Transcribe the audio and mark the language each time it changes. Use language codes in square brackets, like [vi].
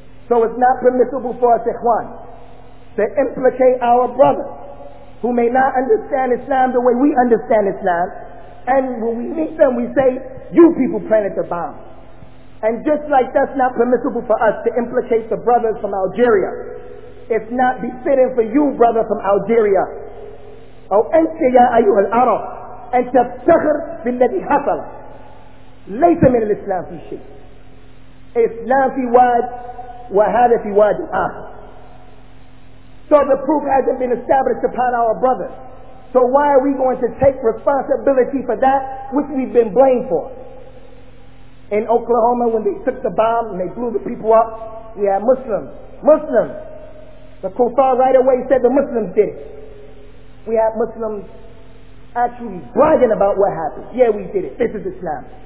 [en] So it's not permissible for us, ikhwan, to implicate our brother who may not understand Islam the way we understand Islam. And when we meet them, we say, you people planted the bomb. And just like that's not permissible for us to implicate the brothers from Algeria, it's not befitting for you, brother from Algeria. [ar] أو أنت يا أيها العرب أن تفتخر بالذي حصل ليس من الإسلام في شيء. إسلام في واد وهذا في واد آخر. [en] So the proof hasn't been established upon our brother. So why are we going to take responsibility for that which we've been blamed for? In Oklahoma, when they took the bomb and they blew the people up, we had Muslims. Muslims! The kuffar right away said the Muslims did it. We had Muslims actually bragging about what happened. Yeah, we did it. This is Islam.